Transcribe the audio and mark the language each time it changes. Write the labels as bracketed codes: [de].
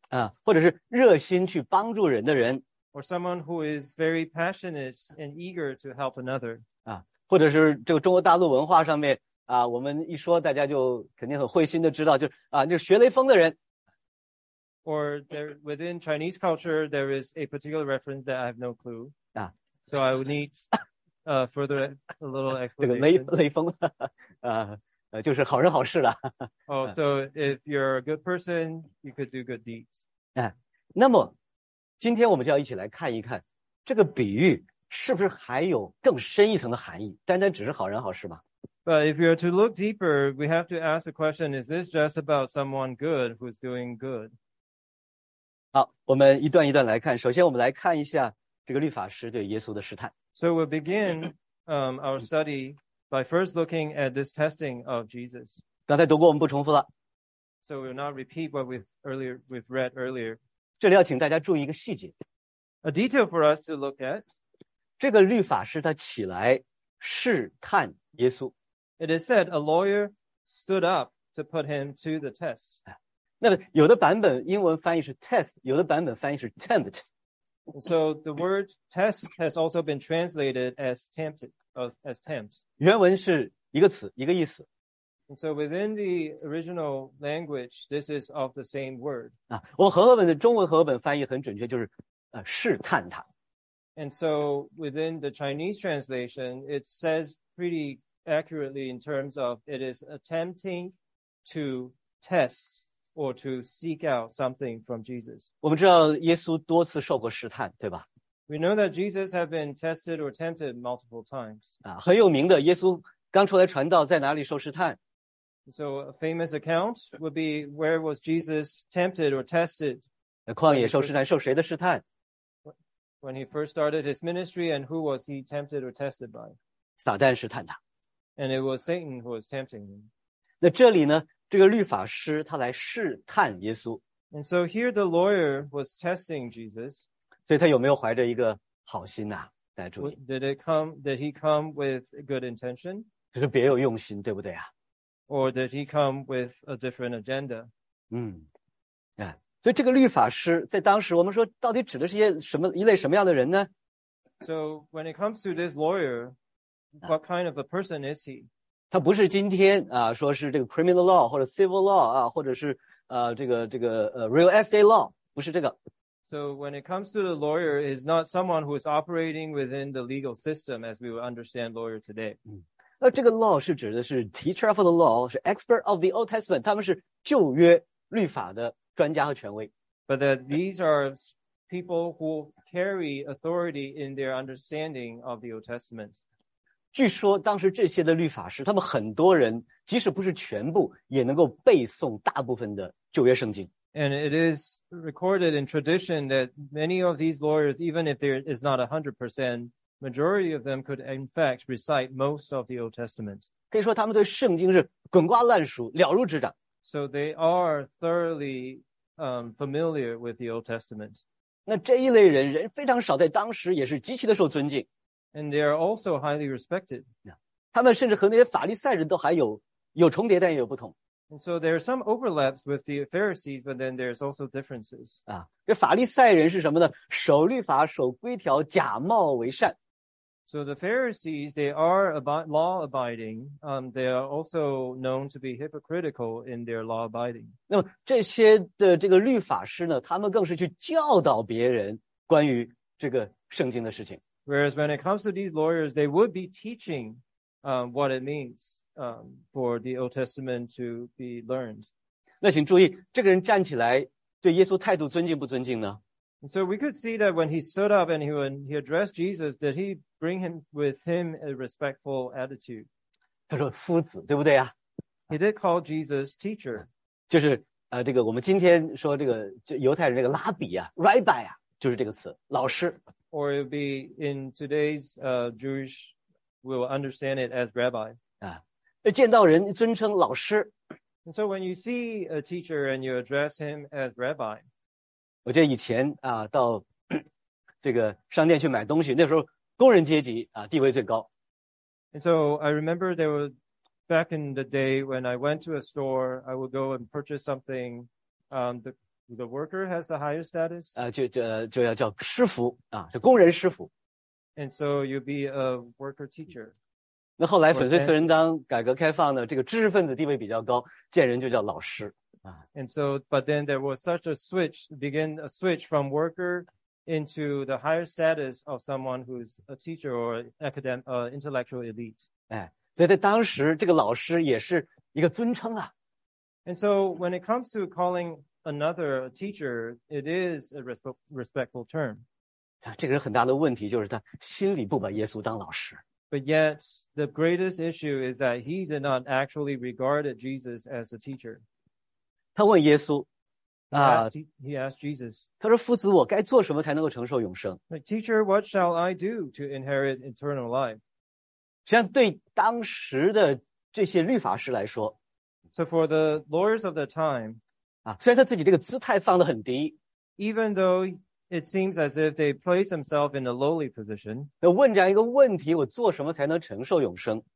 [zh] 啊，或者是热心去帮助人的人。 [en] Or someone who is very passionate and eager to help another. [zh] 啊，或者是这个中国大陆文化上面啊，我们一说大家就肯定很会心的知道，就是啊，就是学雷锋的人。 [en] Or there, within Chinese culture, there is a particular reference that I have no clue. So I will need further a little explanation. [zh] 这个雷锋就是好人好事啦。 [en] Oh, so if you're a good person, you could do good deeds. [zh] 那么今天我们就要一起来看一看这个比喻是不是还有更深一层的含义，单单只是好人好事吗？ [en] But if you are to look deeper, we have to ask the question, is this just about someone good who's doing good? [zh] 好，我们一段一段来看。首先我们来看一下这个律法师对耶稣的试探。 [en] So we'll begin, our study by first looking at this testing of Jesus. [zh] 刚才读过我们不重复了。 [en] So we'll not repeat what we've read earlier. [zh] 这里要请大家注意一个细节。 [en] A detail for us to look at. [zh] 这个律法师他起来试探耶稣。 [en] It is said a lawyer stood up to put him to the test. [zh] 那个、有的版本英文翻译是 test, 有的版本翻译是 tempt. [en] So the word test has also been translated as tempted, as tempt. [zh] 原文是一个词一个意思。 [en] And so within the original language, this is of the same word. [zh] 啊，我和合本的中文和合本翻译很准确就是试探他。 [en] And so within the Chinese translation, it says pretty accurately in terms of it is attempting to test. Or to seek out something from Jesus. [zh] 我们知道耶稣多次受过试探，对吧？ [en] We know that Jesus has been tested or tempted multiple times. [zh] 啊，很有名的，耶稣刚出来传道，在哪里受试探？ [en] So a famous account would be where was Jesus tempted or tested? [zh] 旷野受试探，受谁的试探？ [en] When he first started his ministry, and who was he tempted or tested by? [zh] 撒旦试探他。 [en] And it was Satan who was tempting him. [zh] 那这里呢，这个律法师他来试探耶稣。 [en] And so here the lawyer was testing Jesus. [zh] 所以他有没有怀着一个好心啊？来注意。 [en] Did he come with good intention? [zh] 就是别有用心，对不对啊？ [en] Or did he come with a different agenda? [zh] 嗯，所以这个律法师在当时，我们说到底指的是些什么一类什么样的人呢 [en] ？So when it comes to this lawyer, what kind of a person is he? [zh] 他不是今天啊，说是这个 [en] criminal law [zh] 或者 [en] civil law [zh] 啊，或者是 [en] real estate law， [zh] 不是这个。 [en] So when it comes to the lawyer, is not someone who is operating within the legal system as we would understand lawyer today. [zh] 那这个 law 是指的是 [en] teacher of the law， [zh] 是 [en] expert of the Old Testament， [zh] 他们是旧约律法的专家和权威。 [en] But that these are people who carry authority in their understanding of the Old Testament. [zh] 据说当时这些的律法师，他们很多人即使不是全部，也能够背诵大部分的旧约圣经。 [en] And it is recorded in tradition that many of these lawyers, even if there is not 100%,majority of them could in fact recite most of the Old Testament. [zh] 可以说他们对圣经是滚瓜烂熟，了如指掌。 [en] So they are thoroughly, familiar with the Old Testament. [zh] 那这一类人人非常少，在当时也是极其的受尊敬。 [en] And they are also highly respected. [zh] 他们甚至和那些法利赛人都还有重叠，但也有不同。 [en] And so there are some overlaps with the Pharisees, but then there's also differences. [zh] 啊，这法利赛人是什么呢？守律法，守规条，假冒为善。 [en] So the Pharisees, they are law-abiding. They are also known to be hypocritical in their law-abiding. [zh] 那么这些的这个律法师呢，他们更是去教导别人关于这个圣经的事情。 [en] Whereas when it comes to these lawyers, they would be teaching, what it means. For the Old Testament to be learned. [zh] 那请注意，这个人站起来对耶稣态度尊敬不尊敬呢？ [en] So we could see that when he stood up and he addressed Jesus, did he bring him with him a respectful attitude? [zh] 他说夫子，对不对啊？ [en] He did call Jesus teacher. [zh] 就是这个我们今天说这个犹太人这个拉比啊 ，rabbi 啊，就是这个词，老师。 [en] Or it would be in today's Jewish, we will understand it as rabbi. [zh] 啊。见到人尊称老师。 [en] And so when you see a teacher and you address him as rabbi. [zh] 我记得以前啊到这个商店去买东西，那时候工人阶级啊地位最高。 [en] And so I remember there was back in the day when I went to a store, I would go and purchase something, the worker has the highest status. [zh] 啊就要叫师傅啊，就工人师傅。 [en] And so you'd be a worker teacher. [zh] 那后来粉碎四人帮改革开放呢，这个知识分子地位比较高，见人就叫老师。 [en] And so, but then there was such a switch, begin a switch from worker into the higher status of someone who's a teacher or academic, intellectual elite. [zh] 哎，所以在当时这个老师也是一个尊称啊。 [en] And so when it comes to calling another a teacher, it is a respectful term. [zh] 这个人很大的问题就是他心里不把耶稣当老师。 [en] But yet, the greatest issue is that he did not actually regard Jesus as a teacher. [zh] 他问耶稣 [en] he asked Jesus. [zh] 他说夫子我该做什么才能够承受永生 [en] like, Teacher, what shall I do to inherit eternal life? [zh] 像对当时的这些律法师来说 [en] So for the lawyers of the time, [zh] 虽然他自己这个姿态放得很低 [en] even though,It seems as if they place themselves in a lowly position. [zh] 问这样一个问题，我做什么才能承受永生